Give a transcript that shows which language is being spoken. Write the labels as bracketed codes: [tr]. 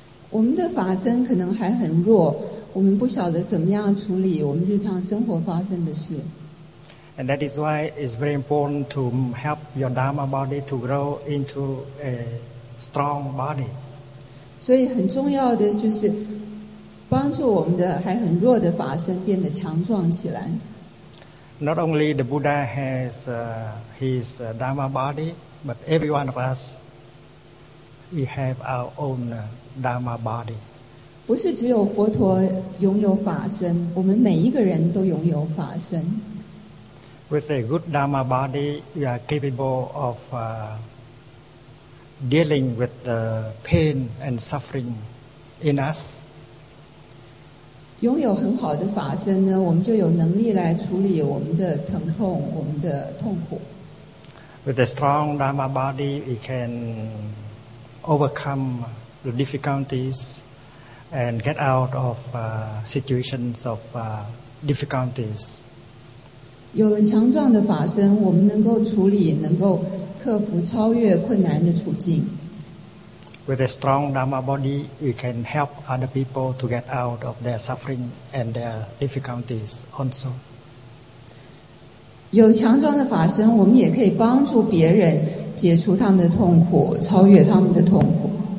[zh] 我们的法身可能还很弱，我们不晓得怎么样处理我们日常生活发生的事。 [en] And that is why it's very important to help your Dharma body to grow into a. Strong body. [zh] 所以很重要的就是帮助我们的还很弱的法身变得强壮起来。 [en] Not only the Buddha has his Dharma body, but every one of us, we have our own Dharma body. [zh] 不是只有佛陀拥有法身，我们每一个人都拥有法身。 [en] With a good Dharma body, we are capable of. Dealing with the pain and suffering in us. [zh] 拥有很好的法身呢，我们就有能力来处理我们的疼痛，我们的痛苦。 [en] With a strong Dharma body, we can overcome the difficulties and get out of situations of difficulties. [zh] 有了强壮的法身，我们能够处理，能够。克服超越困难的处境。 [en] With a strong Dharma body, we can help other people to get out of their suffering and their difficulties also. [zh] 有强壮的法身，我们也可以帮助别人解除他们的痛苦，超越他们的痛苦。